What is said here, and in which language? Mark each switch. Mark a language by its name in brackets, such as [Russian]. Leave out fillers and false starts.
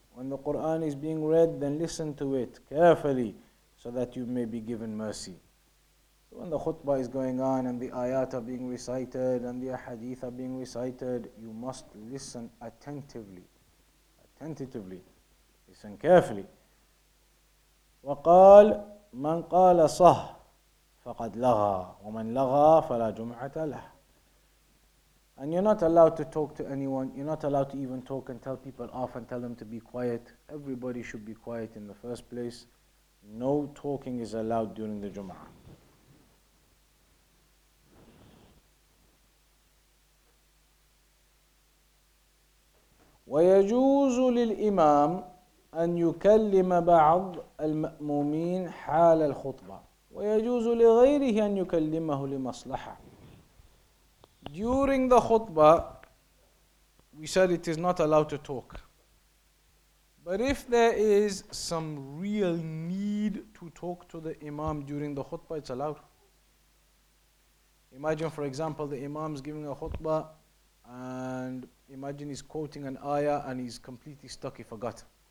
[English] When the Quran is being read, then listen to it carefully so that you may be given mercy. So when the khutbah is going on and the ayat are being recited and the ahadith are being recited, you must listen attentively. Listen carefully. [Arabic] وقال من قال صح فقد لغى ومن لغى فلا جمعة له. [English] And you're not allowed to talk to anyone. You're not allowed to even talk and tell people off and tell them to be quiet. Everybody should be quiet in the first place. No talking is allowed during the Jum'ah. [Arabic] وَيَجُوزُ لِلْإِمَامِ أن يكلم بعض المأمومين حال الخطبة ويجوز لغيره أن يكلمه لمصلحة. [English] During the khutbah, we said it is not allowed to talk. But if there is some real need to talk to the imam during the khutbah, it's allowed. Imagine, for example, the imam is giving a khutbah, and imagine he's quoting an ayah and he's completely stuck, he forgot.